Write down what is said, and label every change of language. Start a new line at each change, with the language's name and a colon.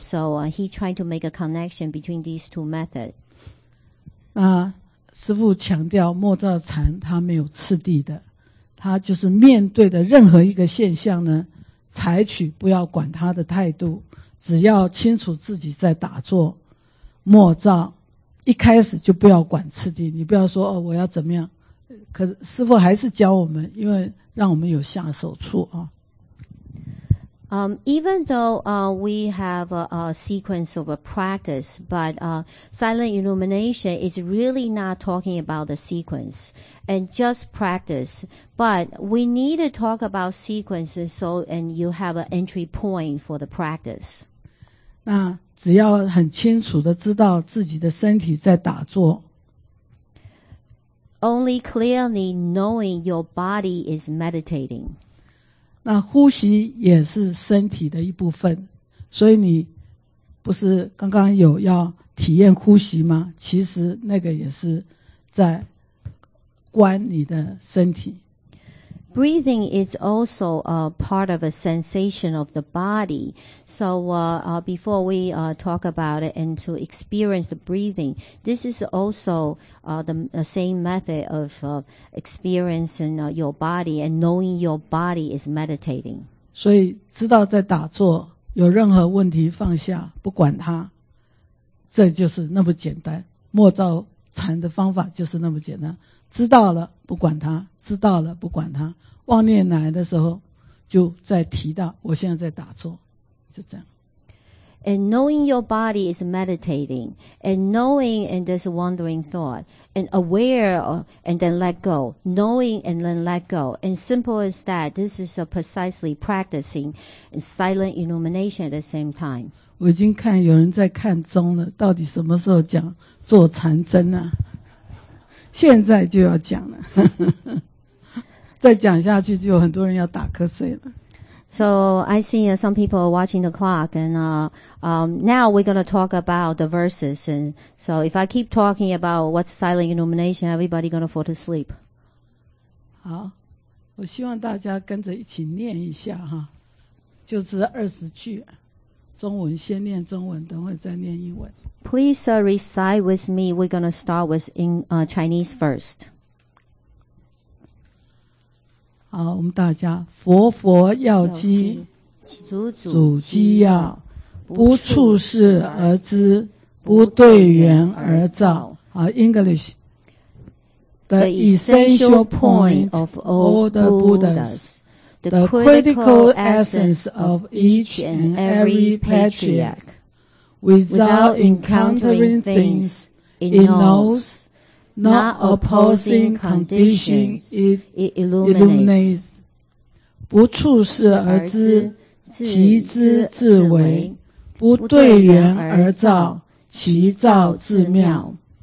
English: So, he tried to make a connection between these two methods.
Chinese: 师父强调莫照禅他没有次第的，他就是面对的任何一个现象呢，采取不要管他的态度，只要清楚自己在打坐莫照，一开始就不要管次第，你不要说、哦、我要怎么样，可师父还是教我们，因为让我们有下手处啊。
English: Even though we have a sequence of a practice, but silent illumination is really not talking about the sequence and just practice. But we need to talk about sequences so and you have an entry point for the practice.
Chinese: 那只要很清楚地知道自己的身体在打坐。
English: Only clearly knowing your body is meditating.
Chinese: 那呼吸也是身体的一部分，所以你不是刚刚有要体验呼吸吗？其实那个也是在观你的身体。
English: Breathing is also a part of a sensation of the body. So before we talk about it and to experience the breathing, this is also the same method of experiencing your body and knowing your body is meditating.
Chinese: 所以知道在打坐，有任何问题放下，不管它，这就是那么简单。莫照禅的方法就是那么简单。知道了不管它，知道了不管它，妄念来的时候就再提到我现在在打坐，就这样。
English: And knowing your body is meditating, and knowing and this wandering thought, and aware of, and then let go, knowing and then let go, and simple as that, this is a precisely practicing silent illumination at the same time.
Chinese: 我已经看有人在看钟了，到底什么时候讲坐禅真啊？现在就要讲了，再讲下去就有很多人要打瞌睡了。
English: So I see some people are watching the clock, and now we're going to talk about the verses. And so if I keep talking about what's silent illumination, everybody going to fall asleep.
Chinese: 好，我希望大家跟着一起念一下哈，就是二十句，中文先念中文，等会再念英文。
English: Please recite with me. We're going to start with in Chinese first.
Chinese: 好，我们大家佛佛要机，祖祖机要，不处事而知，不对缘而造。好 ， English.
English: The essential point of all the Buddhas, the critical essence of each and every patriarch. Without encountering things it knows, not opposing condition it illuminates.
Chinese: 不处事而知，其知自为；不对缘而造，其造自妙。